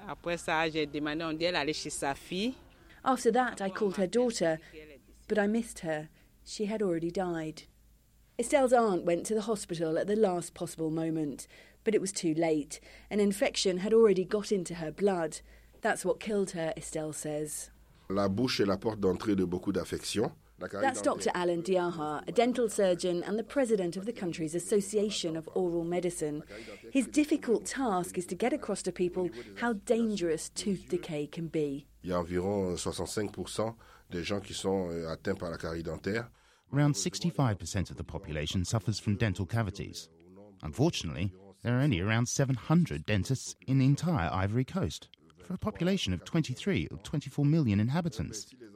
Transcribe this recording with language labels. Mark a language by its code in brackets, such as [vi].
[en] After that, I called her daughter, but I missed her. She had already died. Estelle's aunt went to the hospital at the last possible moment, but it was too late. An infection had already got into her blood. That's what killed her, Estelle says. [fr] La bouche est la porte d'entrée de beaucoup d'affections. [en] That's Dr. Alan Diaha, a dental surgeon and the president of the country's Association of Oral Medicine. His difficult task is to get across to people how dangerous tooth decay can be. [fr] Il y a environ 65% des gens qui sont atteints par la carie dentaire. [en] Around 65% of the population suffers from dental cavities. Unfortunately, there are only around 700 dentists in the entire Ivory Coast for a population of 23 or 24 million inhabitants.